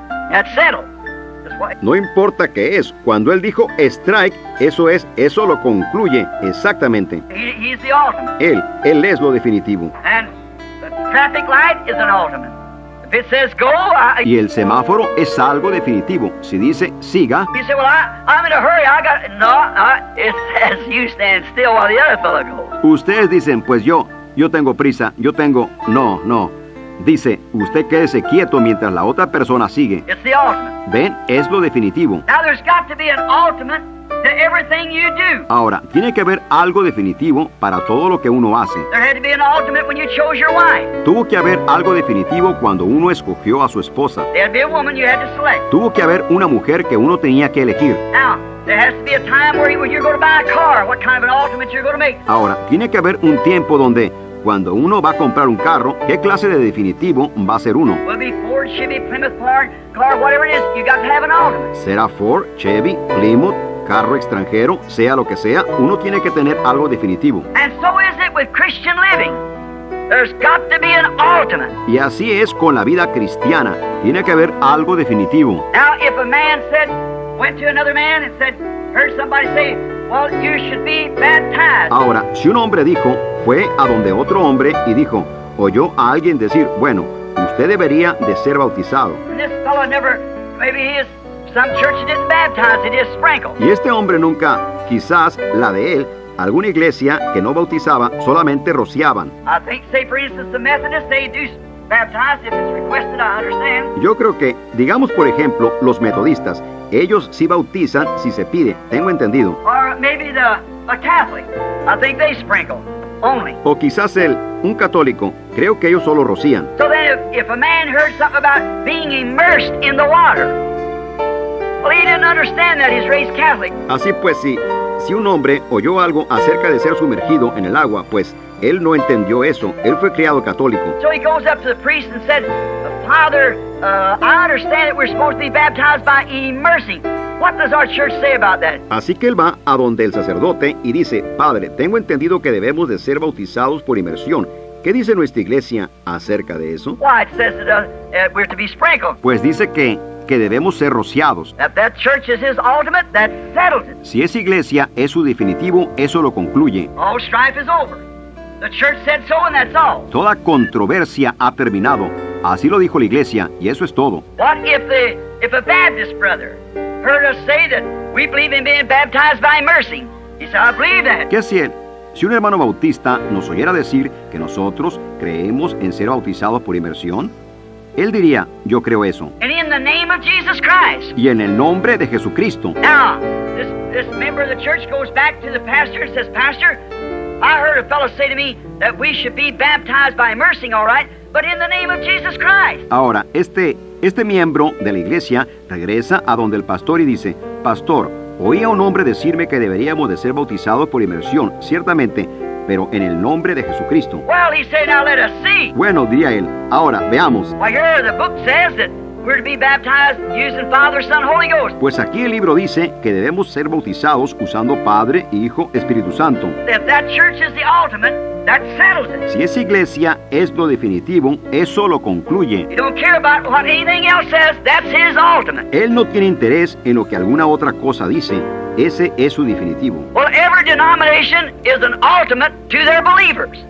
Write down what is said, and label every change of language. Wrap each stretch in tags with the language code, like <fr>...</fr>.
<en>That's settled. That's what...</en> <es>No importa qué es, cuando él dijo strike, eso es, eso lo concluye exactamente.</es> <en>He's the ultimate.</en> <es>Él es lo definitivo.</es> <en>And the traffic light is an ultimate. If it says go,</en> <es>y el semáforo es algo definitivo. Si dice siga.</es> <en>You say, well, I'm in a hurry. It says you stand still while the other fellow goes.</en> <es>Ustedes dicen, pues yo tengo prisa. Yo tengo, no. Dice, usted quédese quieto mientras la otra persona sigue.</es> <en>It's the ultimate.</en> <es>Ven, es lo definitivo.</es> <en>Now there's got to be an ultimate. To everything you do.</en> <es>Ahora, tiene que haber algo definitivo para todo lo que uno hace.</es> <en>There had to be an ultimate when you chose your wife.</en> <es>Tuvo que haber algo definitivo cuando uno escogió a su esposa.</es> <en>There had to be a woman you had to select.</en> <es>Tuvo que haber una mujer que uno tenía que elegir.</es> <en>Now, there has to be a time where you're going to buy a car, what kind of an ultimate you're going to make.</en> <es>Ahora, tiene que haber un tiempo donde cuando uno va a comprar un carro, ¿qué clase de definitivo va a ser uno?</es> <en>Will be Ford, Chevy, Plymouth, Clark, whatever it is, you got to have an ultimate.</en> <es>¿Será Ford, Chevy, Plymouth, carro extranjero, sea lo que sea, uno tiene que tener algo definitivo?</es> <en>And so is it with Christian living. There's got to be an ultimate.</en> <es>Y así es con la vida cristiana. Tiene que haber algo definitivo.</es> <en>Now, if a man said, went to another man and said, heard somebody say, well, you should be baptized.</en> <es>Ahora, si un hombre dijo, fue a donde otro hombre y dijo, oyó a alguien decir, bueno, usted debería de ser bautizado.</es> <en>And this fellow never, maybe he is. Some church didn't baptize, it just sprinkled.</en> <es>Y este hombre nunca, quizás la de él, alguna iglesia que no bautizaba, solamente rociaban.</es> <en>I think, say for instance, the Methodists, they do baptize if it's requested, I understand.</en> <es>Yo creo que, digamos por ejemplo, los metodistas, ellos sí bautizan si se pide, tengo entendido.</es> <en>Or maybe a Catholic. I think they sprinkle only.</en> <es>O quizás un católico, creo que ellos solo rocían.</es> <en>So then if a man heard something about being immersed in the water, well, he didn't understand that he's raised Catholic.</en> <es>Así pues, si un hombre oyó algo acerca de ser sumergido en el agua, pues él no entendió eso. Él fue criado católico.</es> <en>So he goes up to the priest and said, Father, I understand that we're supposed to be baptized by immersing. What does our church say about that?</en> <es>Así que él va a donde el sacerdote y dice, Padre, tengo entendido que debemos de ser bautizados por inmersión. ¿Qué dice nuestra iglesia acerca de eso?</es> <en>Why, it says that we're to be sprinkled.</en> <es>Pues dice que debemos ser rociados.</es> <en>If that church is his ultimate, that settles it.</en> <es>Si esa iglesia es su definitivo, eso lo concluye.</es> <en>All strife is over. The church said so and that's all.</en> <es>Toda controversia ha terminado. Así lo dijo la iglesia y eso es todo.</es> <en>What if a Baptist brother heard us say that we believe in being baptized by mercy? He said, I believe that.</en> <es>¿Qué si él? Si un hermano bautista nos oyera decir que nosotros creemos en ser bautizados por inmersión, él diría, yo creo eso.</es> <en>And in the name of Jesus Christ.</en> <es>Y en el nombre de Jesucristo.</es> <en>Now, this member of the church goes back to the pastor and says, Pastor, I heard a fellow say to me that we should be baptized by immersing, all right, but in the name of Jesus Christ.</en> <es>Ahora, este miembro de la iglesia regresa a donde el pastor y dice, Pastor, oí a un hombre decirme que deberíamos de ser bautizados por inmersión, ciertamente, pero en el nombre de Jesucristo.</es> <en>Well, he said, now let us see.</en> <es>Bueno, diría él, ahora, veamos.</es> <en>Well, here the book says that we're to be baptized using Father, Son, Holy Ghost.</en> <es>Pues aquí el libro dice que debemos ser bautizados usando Padre, Hijo, Espíritu Santo.</es> <en>If that church is the ultimate, that settles it.</en> <es>Si esa iglesia es lo definitivo, eso lo concluye.</es> <en>He don't care about what anything else says, that's his ultimate.</en> <es>Él no tiene interés en lo que alguna otra cosa dice. Ese es su definitivo.</es> <en>Well, every denomination is an ultimate to their believers.</en>